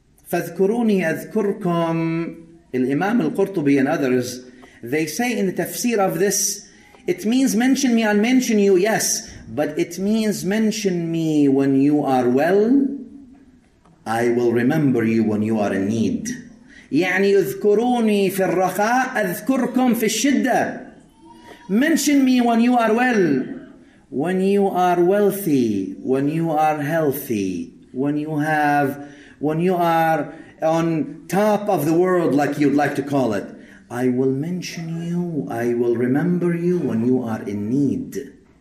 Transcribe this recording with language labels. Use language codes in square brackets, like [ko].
[ar] فَذْكُرُونِي أَذْكُرْكُمْ [en] Imam Al-Qurtubi and others, they say in the tafsir of this, it means mention me, I'll mention you, yes. But it means mention me when you are well, I will remember you when you are in need. [ar] يعني اذكروني في الرخاء اذكركم في الشدة. [en] Mention me when you are well. When you are wealthy, when you are healthy, when you are on top of the world, like you'd like to call it, I will mention you, I will remember you when you are in need.